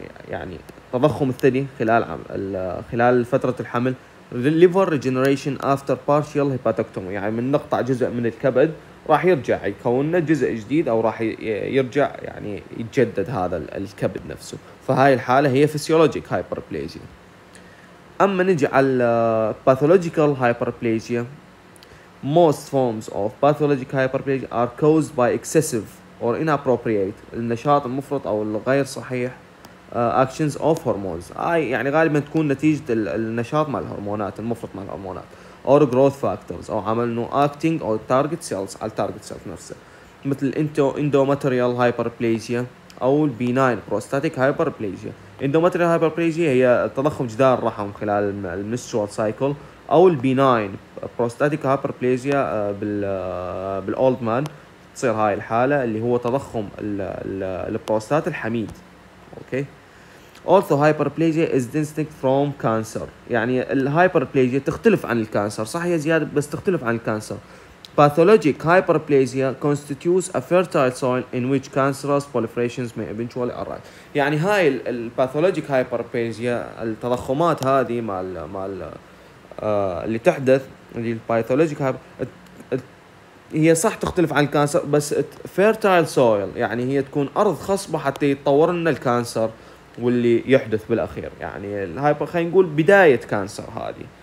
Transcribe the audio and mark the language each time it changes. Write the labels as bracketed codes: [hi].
[ar] يعني تضخم الثدي خلال فتره الحمل، ليفر ريجينريشن افتر بارشال هيباتكتومي، يعني من نقطع جزء من الكبد راح يرجع يكون جزء جديد او راح يرجع يعني يتجدد هذا الكبد نفسه، فهاي الحاله هي فسيولوجيك هايبربلاجيا. اما نجي على [en] pathological hyperplasia، most forms of pathologic hyperplasia are caused by excessive or inappropriate [ar] النشاط المفرط او الغير صحيح [en] actions of hormones، [ar] اي يعني غالبا تكون نتيجة النشاط مع الهرمونات [en] المفرط مع الهرمونات، or growth factors [ar] او عمل نو [en] acting or target cells على target cells نفسه، مثل endometrial hyperplasia او benign prostatic hyperplasia. [ar] Endometrial hyperplasia هي تضخم جدار الرحم خلال المنسترول سايكل، او البيناين بروستاتيك هايبربلازيا بالاولد مان تصير هاي الحاله اللي هو تضخم البروستات الحميد. اوكي، [en] also hyperplasia is distinct from cancer، [ar] يعني الهايبربلازيا تختلف عن الكانسر، صح هي زياده بس تختلف عن الكانسر. [en] Pathologic hyperplasia constitutes a fertile soil in which cancerous proliferations may eventually arise. [ar] يعني هاي ال pathologic hyperplasia التضخمات هذه مال اللي تحدث لل pathologic هي صح تختلف عن الكانسر بس fertile soil، يعني هي تكون أرض خصبة حتى يتطور لنا الكانسر واللي يحدث بالأخير، يعني الهايبر خلينا نقول بداية كانسر هذه.